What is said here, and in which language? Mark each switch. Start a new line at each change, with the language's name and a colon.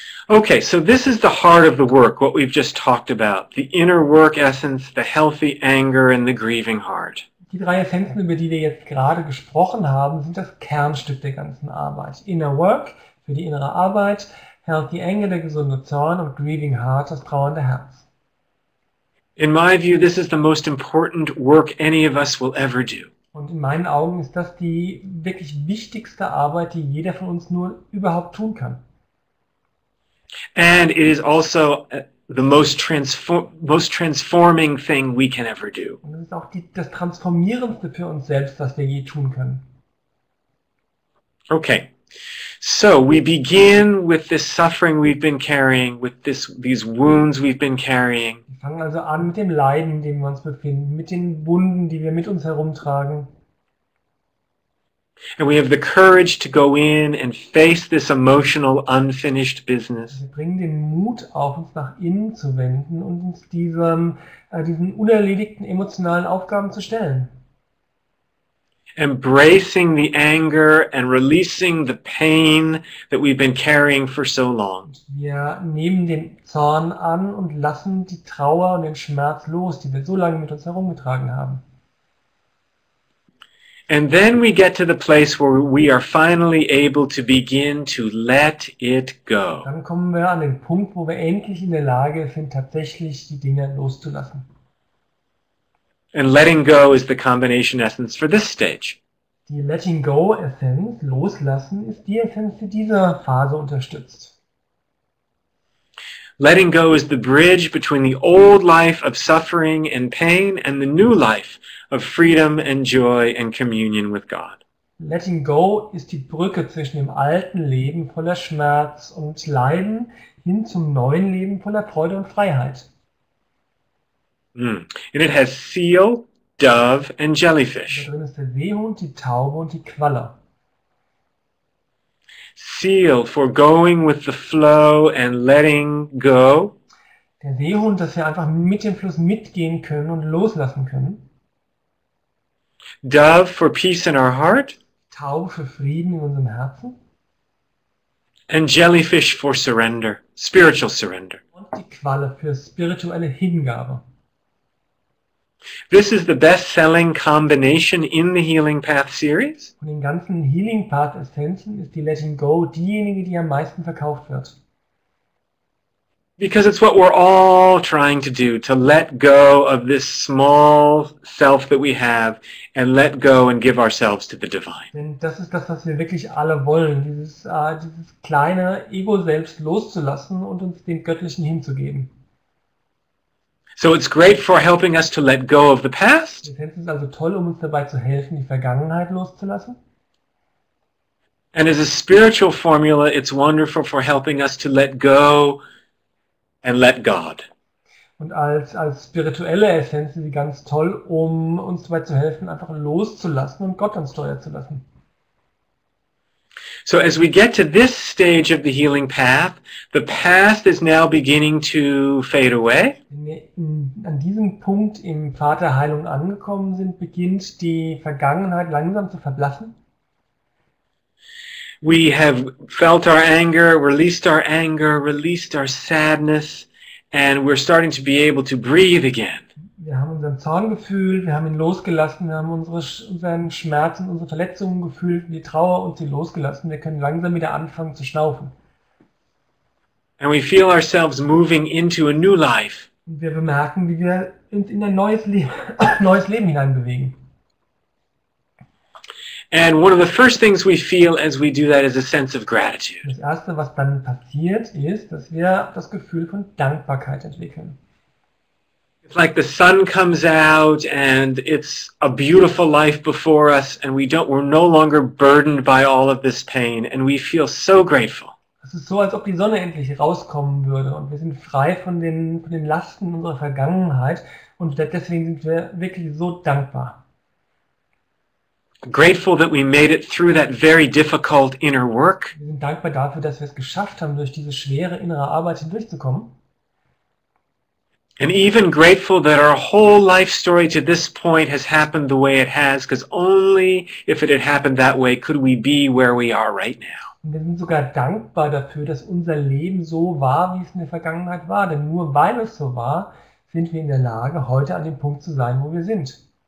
English: Okay, so this is the heart of the work, what we've just talked about. The inner work essence, the healthy anger, and the grieving heart.
German: Die drei Essenzen, über die wir jetzt gerade gesprochen haben, sind das Kernstück der ganzen Arbeit. Inner work, für die innere Arbeit, healthy anger, der gesunde Zorn, und grieving heart, das trauernde Herz.
English: In my view, this is the most important work any of us will ever do.
German: Und in meinen Augen ist das die wirklich wichtigste Arbeit, die jeder von uns nur überhaupt tun kann.
English: And it is also the most transforming thing we can ever do.
German: Und es ist auch das Transformierendste für uns selbst, was wir je tun können.
English: Okay. So we begin with this suffering we've been carrying, with these wounds we've been carrying.
German: Wir fangen also an mit dem Leiden, in dem wir uns befinden, mit den Wunden, die wir mit uns herumtragen.
English: And we have the courage to go in and face this emotional unfinished business.
German: Wir bringen den Mut auf, uns nach innen zu wenden und uns diesen unerledigten emotionalen Aufgaben zu stellen.
English: Embracing the anger and releasing the pain that we've been carrying for so long.
German: Wir nehmen den Zorn an und lassen die Trauer und den Schmerz los, die wir so lange mit uns herumgetragen haben.
English: And then we get to the place where we are finally able to begin to let it go.
German: Dann kommen wir an den Punkt, wo wir endlich in der Lage sind, tatsächlich die Dinge loszulassen.
English: And letting go is the combination essence for this stage.
German: Die letting go essence, loslassen, ist die Essenz, die diese Phase unterstützt.
English: Letting go is the bridge between the old life of suffering and pain and the new life of freedom and joy and communion with God.
German: Letting go ist die Brücke zwischen dem alten Leben voller Schmerz und Leiden hin zum neuen Leben voller Freude und Freiheit.
English: And it has seal, dove, and jellyfish.
German: Da drin ist der Seehund, die Taube und die Qualle.
English: Seal for going with the flow and letting go.
German: Der Seehund, dass wir einfach mit dem Fluss mitgehen können und loslassen können.
English: Dove for peace in our heart.
German: Taube für Frieden in unserem Herzen.
English: And jellyfish for surrender, spiritual surrender.
German: Und die Qualle für spirituelle Hingabe.
English: This is the best-selling combination in the Healing Path series.
German: Von den ganzen Healing Path Essenzen ist die Letting Go diejenige, die am meisten verkauft wird.
English: Because it's what we're all trying to do, to let go of this small self that we have and let go and give ourselves to the divine.
German: Denn das ist das, was wir wirklich alle wollen, dieses kleine Ego-Selbst loszulassen und uns dem Göttlichen hinzugeben.
English: So it's great for helping us to let go of the past.
German: Es ist also toll, um uns dabei zu helfen, die Vergangenheit loszulassen.
English: And as a spiritual formula, it's wonderful for helping us to let go and let God.
German: Und als spirituelle Essenz ist sie ganz toll, um uns dabei zu helfen, einfach loszulassen und Gott ans Steuer zu lassen.
English: So as we get to this stage of the healing path, the past is now beginning to fade away.
German: An diesem Punkt im Pfad der Heilung angekommen sind, beginnt die Vergangenheit langsam zu verblassen.
English: We have felt our anger, released our anger, released our sadness, and we're starting to be able to breathe again.
German: Wir haben unseren Zorn gefühlt, wir haben ihn losgelassen, wir haben unseren Schmerz und unsere Verletzungen gefühlt, die Trauer und sie losgelassen. Wir können langsam wieder anfangen zu schnaufen.
English: And we feel ourselves moving into a new life.
German: Und wir bemerken, wie wir uns in ein neues Leben hineinbewegen.
English: And one of the first things we feel as we do that is a sense of gratitude.
German: Das Erste, was dann passiert, ist, dass wir das Gefühl von Dankbarkeit entwickeln.
English: It's like the sun comes out and it's a beautiful life before us and we're no longer burdened by all of this pain and we feel so grateful.
German: Es ist so, als ob die Sonne endlich rauskommen würde und wir sind frei von den Lasten unserer Vergangenheit und deswegen sind wir wirklich so dankbar.
English: Grateful that we made it through that very difficult inner work.
German: Wir sind dankbar dafür, dass wir es geschafft haben, durch diese schwere innere Arbeit hindurchzukommen.
English: And even grateful that our whole life story to this point has happened the way it has, because only if it had happened that way could we be where we are right now.
German: Und wir sind sogar dankbar dafür, dass unser Leben so war, wie es in der Vergangenheit war. Denn nur weil es so war, sind wir in der Lage, heute an dem Punkt zu sein, wo wir sind.